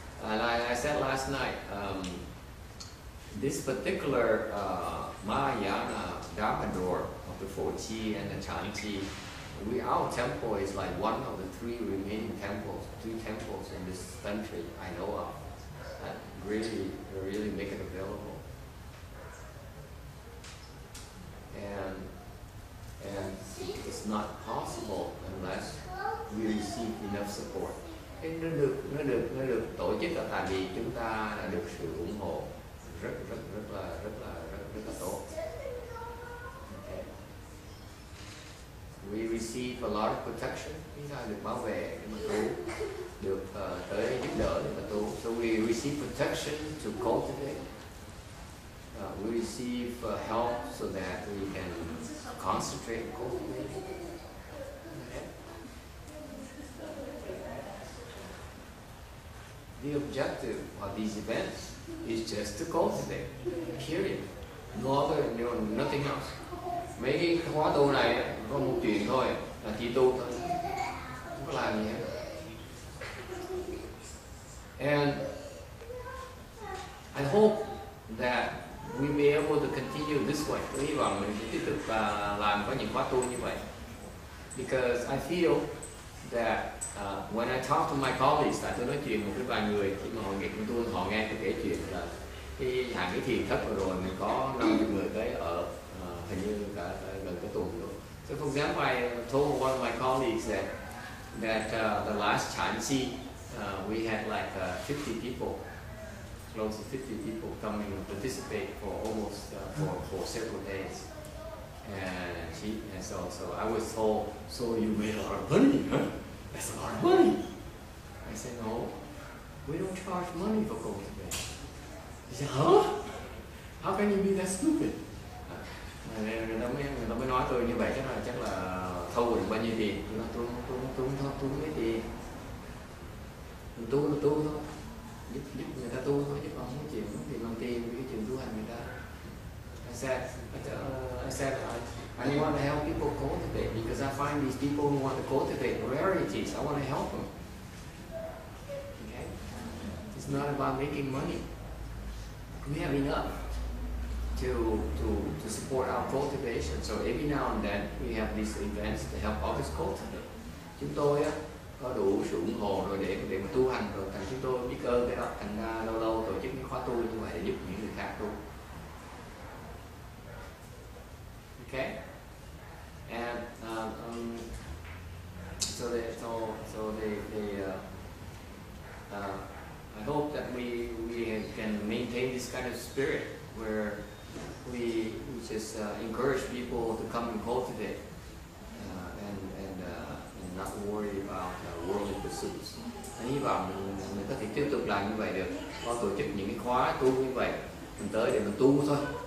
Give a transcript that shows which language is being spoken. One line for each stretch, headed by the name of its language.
English: Like I said last night, this particular Mahayana Dharma door of the Four Chi and the Chan Chi, our temple is like one of the three remaining temples, two temples in this country I know of that really, really make it available. And it's not possible unless we receive enough support.
Vietnamese: Nó được tổ chức là tại vì chúng ta đã được sự ủng hộ rất là tốt. Okay.
English: We receive a lot of protection.
Vietnamese: Chúng ta được bảo vệ để mà tu, được tới giúp đỡ để mà tu.
English: So we receive protection to cultivate. We receive help so that we can concentrate and cultivate. The objective of these events is just to cultivate, period. No other, nothing else.
Vietnamese: Mấy cái khóa tu này có một chuyện thôi, là chỉ tu thôi, không có làm gì hết.
English: And I hope that we may be able to continue this way.
Vietnamese: Tôi hy vọng mình sẽ tiếp tục làm có những khóa tu như vậy.
English: Because I feel that when I talk to my colleagues,
Vietnamese: tại tôi nói chuyện một cái vài người khi mà hội nghị của tôi, họ nghe tôi kể chuyện là khi hạ cái thiền thất vừa rồi mình có 50 người tới ở hình như cả gần cái tuần rồi.
English: So for example, I told one of my colleagues that the last Chan Chi we had like 50 people, close to 50 people coming to participate for almost for several days. And so I was told, so you made a lot of money, huh? That's a lot of money. I said, no, we don't charge money for cultivation. He said, huh? How can you be that stupid?
Vietnamese: Người ta mới nói tôi như vậy chắc là thâu được bao nhiêu tiền. Tôi nói tôi lấy tiền. Mình tu là tu thôi. Giúp người ta tu thôi, chứ còn không có chuyện không thì làm tiền với cái chuyện tu hành người ta.
English: I said, I want to help people cultivate because I find these people who want to cultivate rarities. I want to help them. Okay, it's not about making money. We have enough to support our cultivation. So every now and then we have these events to help others cultivate.
Vietnamese: Chúng tôi á có đủ sự ủng hộ rồi để mà tu hành rồi. Thành chúng tôi biết ơn cái đó. Thành lâu lâu tổ chức những khóa tu như vậy để giúp những người khác tu.
English: Okay, and I hope that we can maintain this kind of spirit where we just encourage people to come and cultivate and not worry about worldly pursuits.
Vietnamese: Anh hy vọng mình có thể tiếp tục làm như vậy được. Có tổ chức những cái khóa tu như vậy, mình tới để mình tu thôi.